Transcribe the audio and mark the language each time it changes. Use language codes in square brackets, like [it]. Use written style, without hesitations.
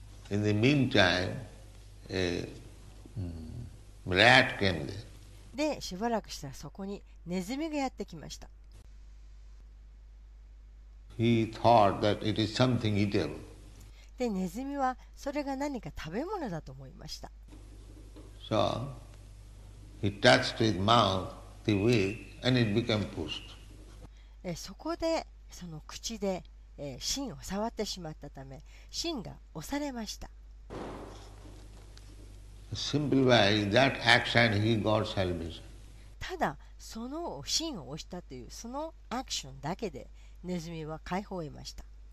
[en] In the meantime, rat came there. [ja] で、しばらくしたらそこにネズミがやってきました。 [en] He thought that it is something eatable. [ja] で、ネズミはそれが何か食べ物だと思いました。 [en] So, he touched his mouth, the wick, and it became pushed. [ja] そこでその口で芯を触ってしまったため、芯が押されました。ただその芯を押したというそのアクションだけでネズミは解放を得ました。